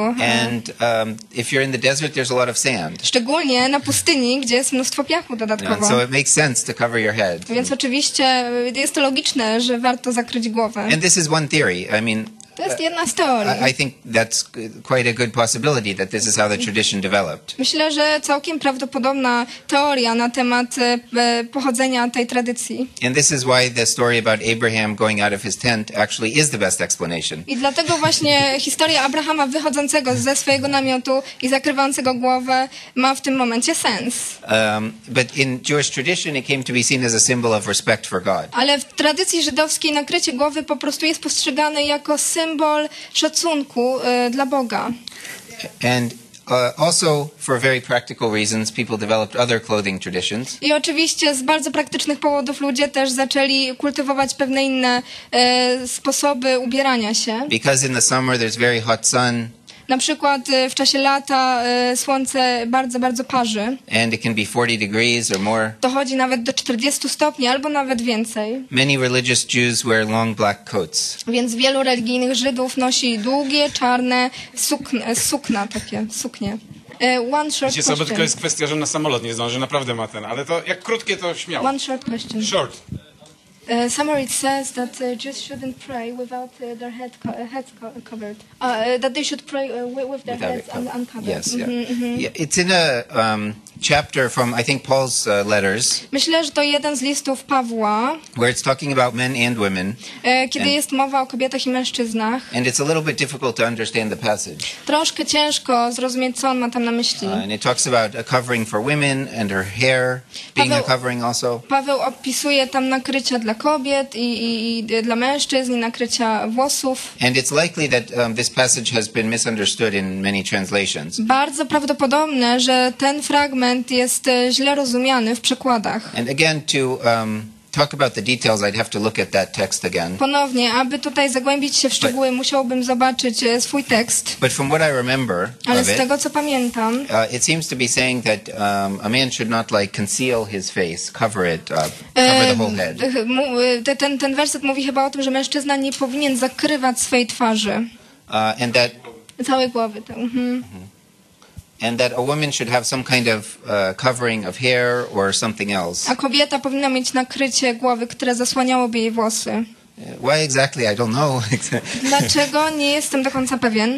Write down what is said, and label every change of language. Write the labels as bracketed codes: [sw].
[en] And if you're in the desert, there's a lot of sand. [pl] Szczególnie na pustyni, gdzie jest mnóstwo piachu dodatkowo. [en] So it makes sense to cover your head. [pl] Więc oczywiście jest to logiczne, że warto zakryć głowę. [en] And this is one theory. I mean, [pl] To jest jedna z teorii. [en] I think that's quite a good possibility that this is how the tradition developed. [pl] Myślę, że całkiem prawdopodobna teoria na temat pochodzenia tej tradycji. [en] And this is why the story about Abraham going out of his tent actually is the best explanation. [pl] I dlatego właśnie historia Abrahama wychodzącego ze swojego namiotu i zakrywającego głowę ma w tym momencie sens. [en] But in Jewish tradition it came to be seen as a symbol of respect for God. [pl] Ale w tradycji żydowskiej nakrycie głowy po prostu jest postrzegane jako symbol szacunku dla Boga. [en] And also for very practical reasons people developed other clothing traditions. [pl] I oczywiście z bardzo praktycznych powodów ludzie też zaczęli kultywować pewne inne sposoby ubierania się. [en] Because in the summer there's very hot sun. [pl] Na przykład w czasie lata słońce bardzo, bardzo parzy. [en] And it can be 40 degrees or more. [pl] Dochodzi nawet do 40 stopni albo nawet więcej. [en] Many religious Jews wear long black coats. [pl] Więc wielu religijnych Żydów nosi długie, czarne sukna takie, suknie. [en] One short [pl] wiecie, [en] question. [pl] Tylko jest kwestia, że na samolot nie zdąży, naprawdę ma ten. Ale to jak krótkie, to śmiało. [en] One short question. Short. Somewhere it says that Jews shouldn't pray without their heads covered. That they should pray with their without heads uncovered. Yes, mm-hmm, yeah. Mm-hmm. Yeah. It's in a chapter from, I think, Paul's letters. [pl] Myślę, że to jeden z listów Pawła. [en] Where it's talking about men and women. [pl] Kiedy jest mowa o kobietach i mężczyznach. [en] And it's a little bit difficult to understand the passage. [pl] Troszkę ciężko zrozumieć, co on ma tam na myśli. [en] And it talks about a covering for women and her hair being a covering also. [pl] Paweł opisuje tam nakrycie dla kobiet i dla mężczyzn i nakrycia włosów. [en] And it's likely that this passage has been misunderstood in many translations. [pl] Bardzo prawdopodobne, że ten fragment jest źle rozumiany w przekładach. [en] And again to talk about the details, I'd have to look at that text again. [pl] Ponownie, aby tutaj zagłębić się w szczegóły, musiałbym zobaczyć swój tekst. [en] But from what I remember, [pl] ale z [en] of [pl] tego [en] it, [pl] co pamiętam, [en] it seems to be saying that a man should not like conceal his face, cover it up, cover the whole head. [pl] Ten werset mówi chyba o tym, że mężczyzna nie powinien zakrywać swej twarzy. [en] And that [pl] całej głowy. Tak. Mhm. Mm-hmm. [en] And that a woman should have some kind of covering of hair or something else. [pl] A kobieta powinna mieć nakrycie głowy, które zasłaniałoby jej włosy. [en] Why exactly? I don't know. [pl] Dlaczego? Nie jestem do końca pewien.